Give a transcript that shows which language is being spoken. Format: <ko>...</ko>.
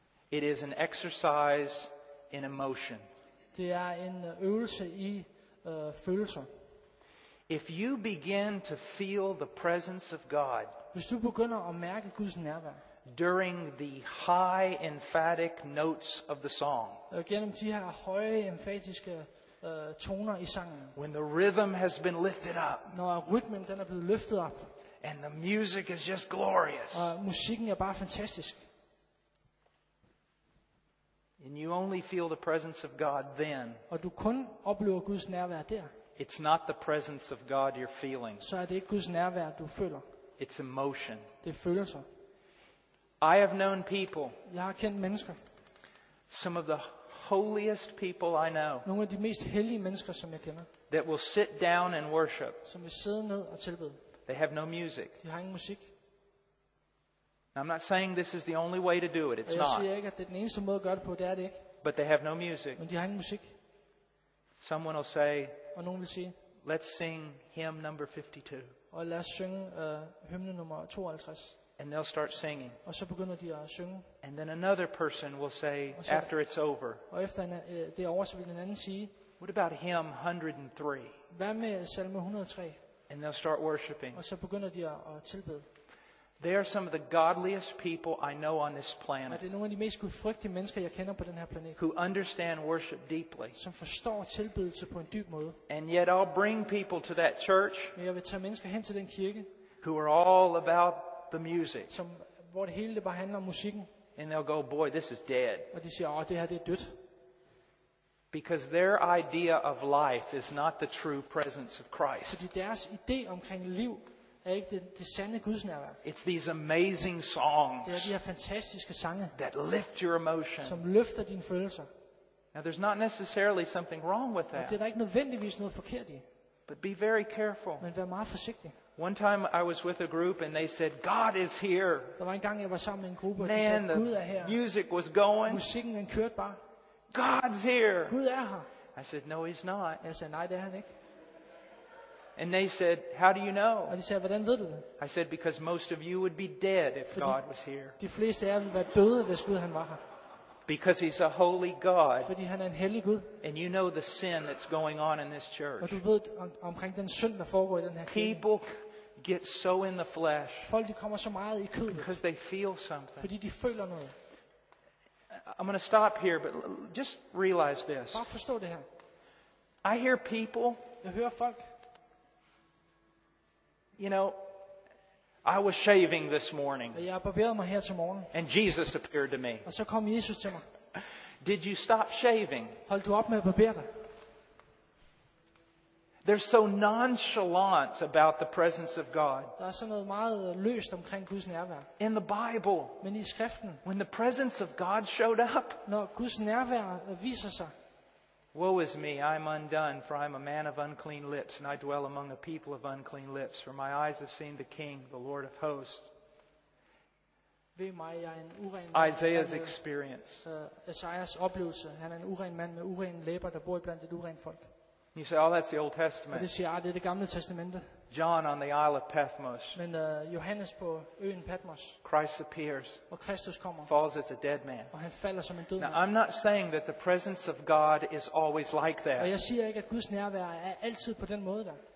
<en>It is an exercise in emotion.</en> <da>Det er en øvelse i følelser.</da> <en>If you begin to feel the presence of God,</en> <da>hvis du begynder at mærke Guds nærvær,</da> <en>during the high emphatic notes of the song,</en> <da>gennem de her høje emfatiske toner i sangen,</da> <en>when the rhythm has been lifted up,</en> <da>når rytmen den er blevet løftet op,</da> <en>and the music is just glorious,</en> <da>og musikken er bare fantastisk.</da> <en>And you only feel the presence of God then.</en> <da>Og du kun oplever Guds nærvær der.</da> <en>It's not the presence of God you're feeling.</en> <da>Så er det ikke Guds nærvær du føler.</da> <en>It's emotion.</en> <da>Det er følelser.</da> <en>I have known people.</en> <da>Jeg har kendt mennesker.</da> <en>Some of the holiest people I know.</en> <da>Nogle af de mest hellige mennesker som jeg kender.</da> <en>That will sit down and worship.</en> <da>Som vil sidde ned og tilbede.</da> <en>They have no music.</en> <da>De har ingen musik.</da> <en>I'm not saying this is the only way to do it. It's not.</en> <da>Jeg siger ikke, at det er den eneste måde at gøre det på. Det er det ikke.</da> <en>But they have no music.</en> <da>Men de har ingen musik.</da> <en>Someone will say,</en> <da>og nogen vil sige,</da> <en>let's sing hymn number 52.</en> <da>Og lad os synge hymne nummer 52.</da> <en>And they'll start singing.</en> <da>Og så begynder de at synge.</da> <en>And then another person will say, så, after it's over.</en> <da>Og efter det er over, så vil en anden sige,</da> <en>what about hymn 103?</en> <da>Hvad med salme 103?</da> <en>And they'll start worshiping.</en> <da>Og så begynder de at tilbede.</da> <en>They are some of the godliest people I know on this planet.</en> <da>Er det nogle af de mest gudfrygtige mennesker jeg kender på den her planet?</da> <en>Who understand worship deeply.</en> <da>Som forstår tilbedelse på en dyb måde.</da> <en>And yet I'll bring people to that church.</en> <da>Men jeg vil tage mennesker hen til den kirke.</da> <en>Who are all about the music.</en> <da>Som hvor det hele bare handler om musikken.</da> <en>And they'll go, boy, this is dead.</en> <da>Og de siger, åh, det her det er dødt.</da> <en>Because their idea of life is not the true presence of Christ.</en> <da>Fordi deres idé omkring liv er ikke det sande Guds nærvær.</da> <en>It's these amazing songs.</en> <da>Det er de her fantastiske sange.</da> <en>That lift your emotion.</en> <da>Som løfter dine følelser.</da> <en>Now there's not necessarily something wrong with that.</en> <da>Og det er ikke nødvendigvis noget forkert i.</da> <en>But be very careful.</en> <da>Men vær meget forsigtig.</da> <en>One time I was with a group and they said, God is here.</en> <da>Der var en gang jeg var sammen med en gruppe og de sagde, Gud er her.</da> <en>Music was going.</en> <da>Musikken den kørte bare.</da> <en>God's here.</en> <da>Gud er her.</da> <en>I said, no, he's not.</en> <da>Jeg sagde, nej, det er han ikke.</da> <en>And they said, how do you know?</en> <da>Og de sagde, hvordan ved du det?</da> <en>I said, because most of you would be dead if</en> <da>fordi</da> <en>God was here.</en> <da>De fleste af jer ville være døde, hvis Gud han var her.</da> <en>Because he's a holy God.</en> <da>Fordi han er en hellig Gud.</da> <en>And you know the sin that's going on in this church.</en> <da>Og du ved omkring den synd, der foregår i den her kirke.</da> <en>People get so in the flesh.</en> <da>Folk, de kommer så meget i kødet.</da> <en>Because they feel something.</en> <da>Fordi de føler noget.</da> <en>I'm going to stop here, but just realize this.</en> <da>Bare forstå det her.</da> <en>I hear people.</en> <da>Jeg hører folk.</da> <en>You know, I was shaving this morning.</en> <da>Jeg barberede mig her til morgen.</da> <en>And Jesus appeared to me.</en> <da>Og så kom Jesus til mig.</da> <en>Did you stop shaving?</en> <da>Hold du op med at barbere dig?</da> <en>They're so nonchalant about the presence of God.</en> <da>Der er sådan noget meget løst omkring Guds nærvær.</da> <en>In the Bible.</en> <da>Men i skriften.</da> <en>When the presence of God showed up.</en> <da>Når Guds nærvær viser sig.</da> <en>Woe is me, I'm undone, for I'm a man of unclean lips, and I dwell among a people of unclean lips, for my eyes have seen the King, the Lord of hosts.</en> <da>Ved mig, jeg er en uren mand.</da> <en>Isaiah's experience.</en> <da>Isaiahs oplevelse. Han er en uren mand med urene læber, der bor blandt et urent folk.</da> <en>You say, oh, that's the Old Testament.</en> <da>Det siger, det er det gamle testamente.</da> <en>John on the Isle of Patmos.</en> <da>Men Johannes på øen Patmos.</da> <en>Christ appears.</en> <da>Og Kristus kommer.</da> <en>Falls as a dead man.</en> <da>Og han falder som en død</da> <en>Now,</en> <da>man.</da> <en>Now I'm not saying that the presence of God is always like that.</en> <da>Og jeg siger ikke, at Guds nærvær er altid på den måde der.</da>